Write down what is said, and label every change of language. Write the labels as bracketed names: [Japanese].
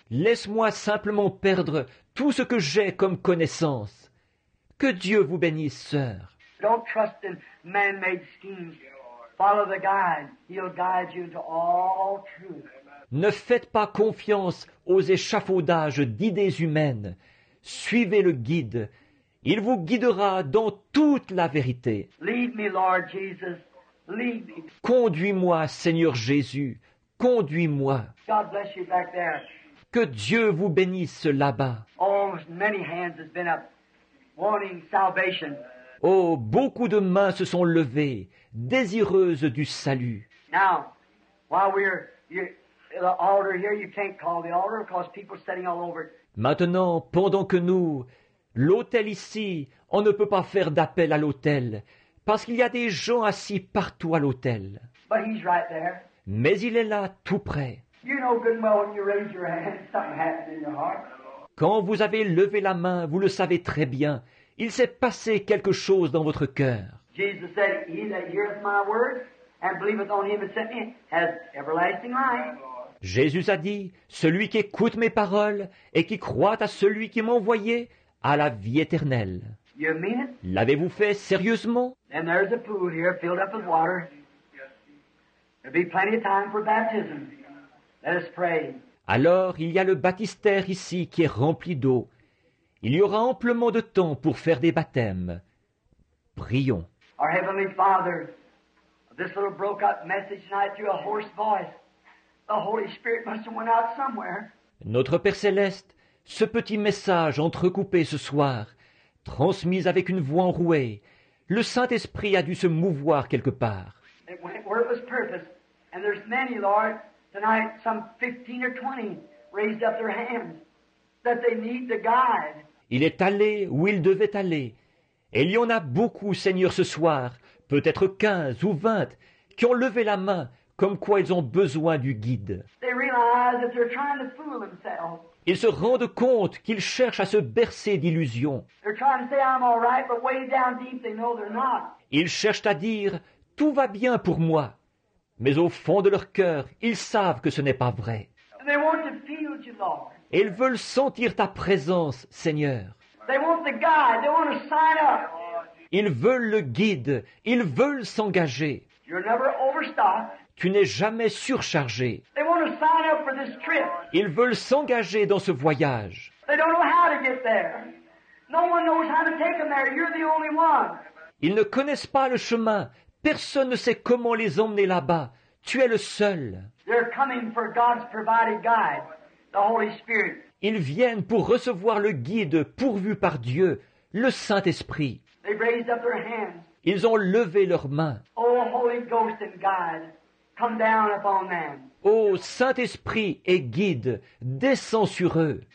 [French] Laisse-moi simplement perdre tout ce que j'ai comme connaissance. Que Dieu vous bénisse, sœur. [English] Don't trust in man-made schemes. Follow the guide. He'll guide you into all truth. [French] Ne faites pas confiance aux échafaudages d'idées humaines. Suivez le guide. Il vous guidera dans toute la vérité. [English] Lead me, Lord Jesus. Lead me. [French] Conduis-moi, Seigneur Jésus. Conduis-moi. [English] God bless you back there. [French] Que Dieu vous bénisse là-bas. [English] Oh, many hands have been up, wanting salvation. [French] Oh, beaucoup de mains se sont levées, désireuses du salut. [English] Now, while we're the altar here, you can't call the altar because people are standing all over. [French] Maintenant, pendant que nous, l'autel ici, on ne peut pas faire d'appel à l'autel, parce qu'il y a des gens assis partout à l'autel. [English] But he's right there. [French] Mais il est là, tout près. [English] You know good and well when you raise your hand, something happens in your heart. [French] Quand vous avez levé la main, vous le savez très bien. Il s'est passé quelque chose dans votre cœur. [English] Jesus said, he that heareth my word and believeth on him that sent me has everlasting life. [French] Jésus a dit, celui qui écoute mes paroles et qui croit à celui qui m'a envoyé a la vie éternelle. [English] You mean it? [French] L'avez-vous fait sérieusement? [English] And there's a pool here filled up with water. There'll be plenty of time for baptism. Let us pray. [French] Alors, il y a le baptistère ici qui est rempli d'eau. Il y aura amplement de temps pour faire des baptêmes. Prions. [English] Our Heavenly Father, this little broke-up message tonight through a hoarse voice. The Holy Spirit must have went out somewhere. [French] Notre Père Céleste, ce petit message entrecoupé ce soir, transmis avec une voix enrouée, le Saint-Esprit a dû se mouvoir quelque part. [English] It went where it was purpose. And there's many, Lord, tonight, some 15 or 20 raised up their hands that they need the guide. [French] Il est allé où il devait aller. Et il y en a beaucoup, Seigneur, ce soir, peut-être 15 ou 20, qui ont levé la main comme quoi ils ont besoin du guide. [English] They realize that they're trying to fool themselves. [French] Ils se rendent compte qu'ils cherchent à se bercer d'illusions. [English] They're trying to say, I'm all right, but way down deep, they know they're not. [French] Ils cherchent à dire, tout va bien pour moi. Mais au fond de leur cœur, ils savent que ce n'est pas vrai. [English] And they want to feel you, Lord. [French] Et ils veulent sentir ta présence, Seigneur. [English] They want the guide. They want to sign up. [French] Ils veulent le guide. Ils veulent s'engager. [English] You're never overstocked. [French] Tu n'es jamais surchargé. [English] They want to sign up for this trip. [French] Ils veulent s'engager dans ce voyage. [English] They don't know how to get there. No one knows how to take them there. You're the only one. [French] Ils ne connaissent pas le chemin. Personne ne sait comment les emmener là-bas. Tu es le seul. [English] They're coming for God's provided guide, the Holy Spirit. [French] Ils viennent pour recevoir le guide pourvu par Dieu, le Saint-Esprit. [English] They raised up their hands. [French] Ils ont levé leurs mains. [English] Oh, Holy Ghost and guide, come down upon them. [French] Oh, Saint-Esprit et guide, descends sur eux.